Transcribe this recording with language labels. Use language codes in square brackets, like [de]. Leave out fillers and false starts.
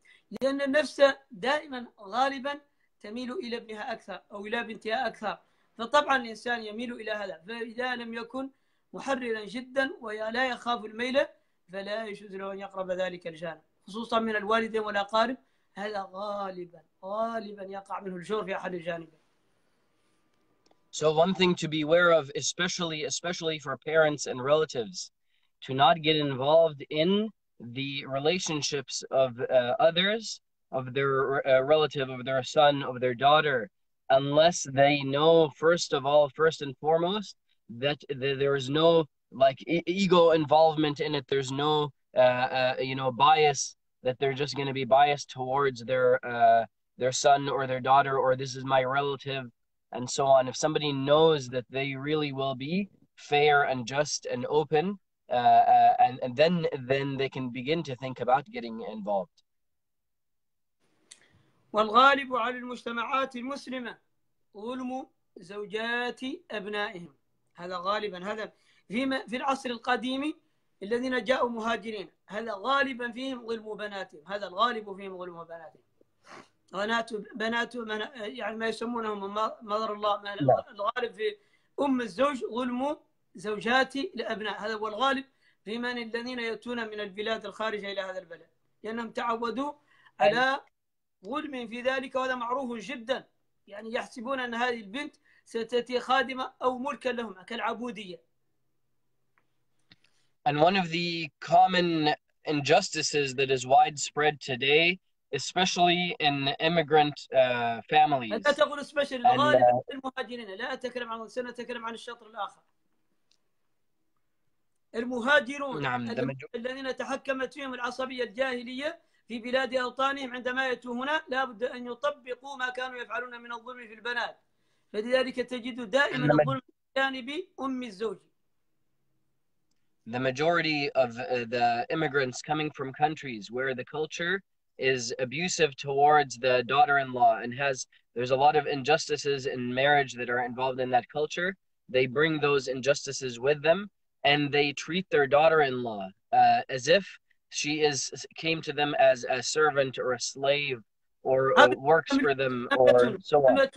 [ar] لان النفس دائما غالبا تميل الى ابنها اكثر او الى بنتها اكثر. فطبعا الانسان يميل الى هذا، فاذا لم يكن محررا جدا ولا يخاف الميل فلا يجوز له ان يقرب ذلك الجانب خصوصا من الوالد والاقارب هذا غالبا يقع منه الجور في احد الجانبين. [en] So one thing to beware of especially for parents and relatives to not get involved in the relationships of others of their relative of their son of their daughter unless they know first and foremost that there is no like ego involvement in it. There's no bias that they're just going to be biased towards their son or their daughter or this is my relative and so on. If somebody knows that they really will be fair and just and open and then they can begin to think about getting involved. [ar] والغالب على المجتمعات المسلمة ظلم زوجات أبنائهم هذا غالبا هذا في العصر القديم الذين جاءوا مهاجرين هذا غالبا فيهم ظلم بناتهم هذا الغالب فيهم ظلم بناتهم بنات يعني ما يسمونهم مضر الله الغالب في أم الزوج ظلم زوجات الأبناء هذا هو الغالب في من الذين يأتون من البلاد الخارجة إلى هذا البلد لأنهم تعودوا على ظلم في ذلك وهذا معروف جدا يعني يحسبون أن هذه البنت ستأتي خادمة أو ملكا لهم كالعبودية. [en] And one of the common injustices that is widespread today especially in immigrant families. [ar] أنت تقول especially الغالب من المهاجرين لا أتكلم عن السنة أتكلم عن الشطر الآخر. المهاجرون نعم الذين تحكمت فيهم العصبية الجاهلية في بلاد أوطانهم عندما يأتوا هنا لابد أن يطبقوا ما كانوا يفعلون من الظلم في البلاد. فلذلك تجد دائما الظلم جانب أم الزوج. [en] The majority of the immigrants coming from countries where the culture is abusive towards the daughter-in-law and there's a lot of injustices in marriage that are involved in that culture. They bring those injustices with them and they treat their daughter-in-law as if she came to them as a servant or a slave or works for them or so on.